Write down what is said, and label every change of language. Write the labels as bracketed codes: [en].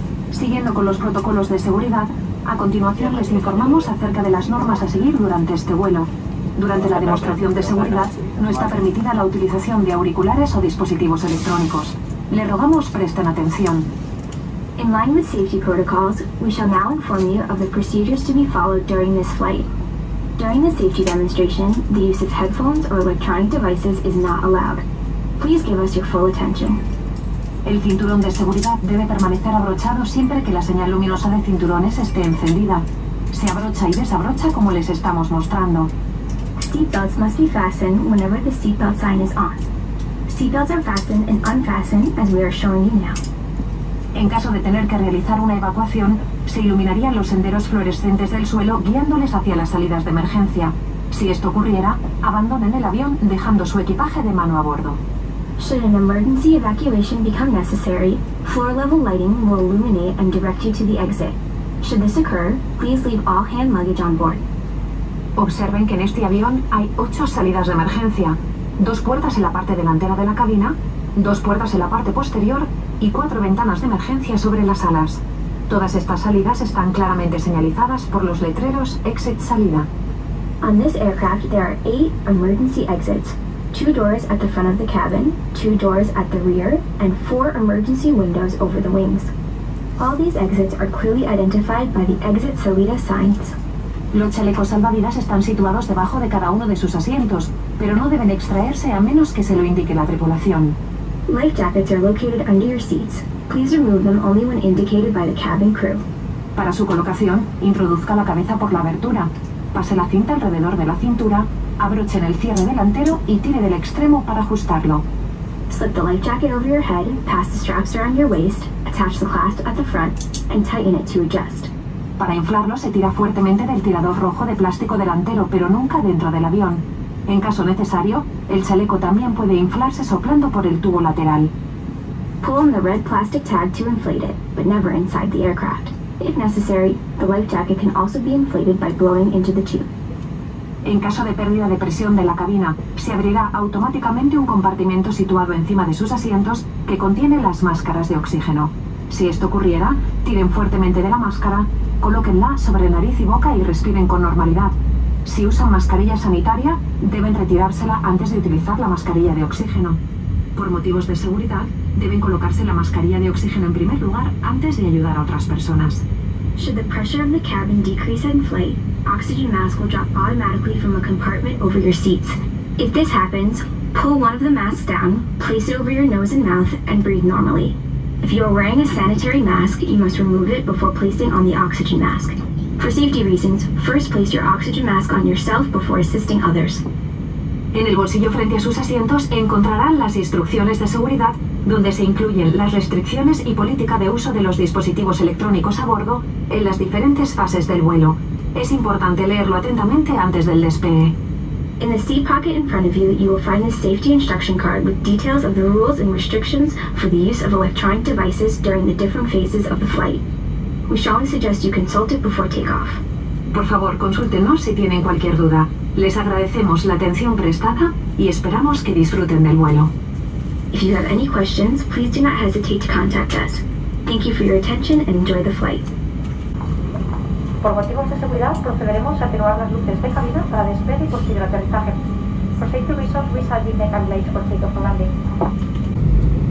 [es] Siguiendo con los protocolos de seguridad, a continuación les informamos acerca de las normas a seguir durante este vuelo. Durante la demostración de seguridad, no está permitida la utilización de auriculares o dispositivos electrónicos. Le rogamos presten atención. [en] In line with safety protocols, we shall now inform you of the procedures to be followed during this flight. During the safety demonstration, the use of headphones or electronic devices is not allowed. Please give us your full attention. [es] El cinturón de seguridad debe permanecer abrochado siempre que la señal luminosa de cinturones esté encendida. Se abrocha y desabrocha como les estamos mostrando. [en] Seatbelts must be fastened whenever the seatbelt sign is on. Seatbelts are fastened and unfastened as we are showing you now. [es] En caso de tener que realizar una evacuación, se iluminarían los senderos fluorescentes del suelo guiándoles hacia las salidas de emergencia. Si esto ocurriera, abandonen el avión dejando su equipaje de mano a bordo. [en] Should an emergency evacuation become necessary, floor-level lighting will illuminate and direct you to the exit. Should this occur, please leave all hand luggage on board. [es] Observen que en este avión hay 8 salidas de emergencia, 2 puertas en la parte delantera de la cabina, 2 puertas en la parte posterior y 4 ventanas de emergencia sobre las alas. Todas estas salidas están claramente señalizadas por los letreros Exit Salida. [en] On this aircraft there are 8 emergency exits. 2 doors at the front of the cabin, 2 doors at the rear, and 4 emergency windows over the wings. All these exits are clearly identified by the Exit Salida signs. [es] Los chalecos salvavidas están situados debajo de cada uno de sus asientos, pero no deben extraerse a menos que se lo indique la tripulación. [en] Life jackets are located under your seats. Please remove them only when indicated by the cabin crew. [es] Para su colocación, introduzca la cabeza por la abertura. Pase la cinta alrededor de la cintura, abrochen el cierre delantero y tire del extremo para ajustarlo. [en] Slip the life jacket over your head, pass the straps around your waist, attach the clasp at the front, and tighten it to adjust. [es] Para inflarlo, se tira fuertemente del tirador rojo de plástico delantero, pero nunca dentro del avión. En caso necesario, el chaleco también puede inflarse soplando por el tubo lateral. [en] Pull on the red plastic tag to inflate it, but never inside the aircraft. If necessary, the life jacket can also be inflated by blowing into the tube. [es] En caso de pérdida de presión de la cabina, se abrirá automáticamente un compartimento situado encima de sus asientos que contiene las máscaras de oxígeno. Si esto ocurriera, tiren fuertemente de la máscara, colóquenla sobre nariz y boca y respiren con normalidad. Si usan mascarilla sanitaria, deben retirársela antes de utilizar la mascarilla de oxígeno. Por motivos de seguridad, deben colocarse la mascarilla de oxígeno en primer lugar antes de ayudar a otras personas. [en] Should the pressure of the cabin decrease in flight, oxygen masks will drop automatically from a compartment over your seats. If this happens, pull one of the masks down, place it over your nose and mouth, and breathe normally. If you are wearing a sanitary mask, you must remove it before placing on the oxygen mask. For safety reasons, first place your oxygen mask on yourself before assisting others. [es] En el bolsillo frente a sus asientos encontrarán las instrucciones de seguridad, donde se incluyen las restricciones y política de uso de los dispositivos electrónicos a bordo en las diferentes fases del vuelo. Es importante leerlo atentamente antes del despegue. [en] In the seat pocket in front of you, you will find a safety instruction card with details of the rules and restrictions for the use of electronic devices during the different phases of the flight. We strongly suggest you consult it before takeoff. [es] Por favor, consúltenos si tienen cualquier duda. Les agradecemos la atención prestada y esperamos que disfruten del vuelo. [en] If you have any questions, please do not hesitate to contact us. Thank you for your attention and enjoy the flight. [es] Por motivos de seguridad, procederemos a atenuar las luces de cabina para despegue y posterior aterrizaje. [en] Proceed to resort, resalve in the mega lights for takeoff and landing.